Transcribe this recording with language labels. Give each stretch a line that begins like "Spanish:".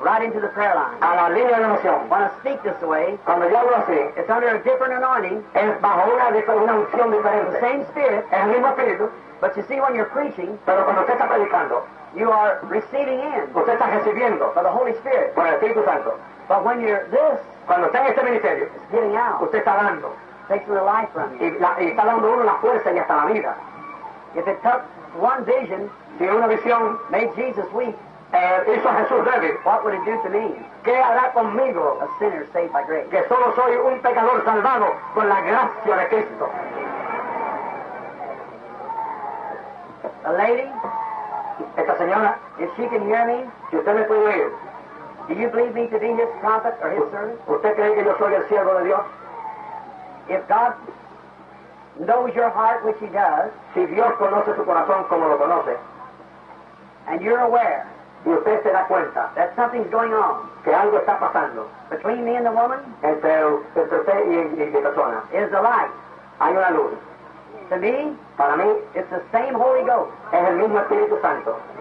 English: Right into the prayer line.
Spanish: A la línea de oración.
English: When I speak this way,
Spanish: cuando yo hablo así,
English: it's under a different anointing.
Spanish: Es bajo una unción diferente.
English: The same spirit.
Spanish: Es el mismo espíritu.
English: But you see, when you're preaching,
Spanish: pero cuando usted está predicando,
English: you are receiving in.
Spanish: Usted está recibiendo.
English: By the Holy Spirit.
Spanish: Por el Espíritu Santo.
English: But when you're this,
Spanish: cuando está en este ministerio,
English: it's getting out.
Spanish: Usted está dando.
English: Takes the life from you.
Spanish: Y está dando uno la fuerza y hasta la vida.
English: If it took one vision,
Spanish: si una visión
English: made Jesus weak,
Spanish: hizo a Jesús débil,
English: what would it do to me?
Spanish: ¿Qué hará conmigo?
English: A sinner saved by grace.
Spanish: Que solo soy un pecador salvado con la gracia de Cristo.
English: A lady,
Spanish: esta señora,
English: if she can hear me,
Spanish: si usted me puede oír,
English: do you believe me to be his prophet or his servant?
Spanish: ¿Usted cree que yo soy el siervo de Dios?
English: If God knows your heart, which He does,
Spanish: si Dios conoce tu corazón como lo conoce,
English: and you're aware,
Spanish: y usted se da cuenta,
English: that something's going on,
Spanish: que algo está pasando,
English: between me and the woman,
Spanish: entre usted y mi persona,
English: is the light,
Spanish: hay una luz.
English: To me,
Spanish: para mí,
English: it's the same Holy Ghost,
Spanish: es el mismo Espíritu Santo,